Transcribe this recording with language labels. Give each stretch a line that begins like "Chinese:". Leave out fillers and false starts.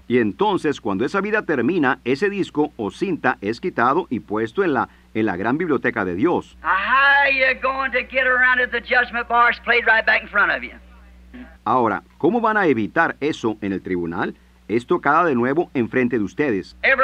Spanish: Y entonces, cuando esa vida termina, ese disco o cinta es quitado y puesto en la gran biblioteca de Dios.
English: How are you going to get around if the judgment bar is played right back in front of you?
Spanish: Ahora, ¿cómo van a evitar eso en el tribunal? Esto cada de nuevo enfrente de ustedes.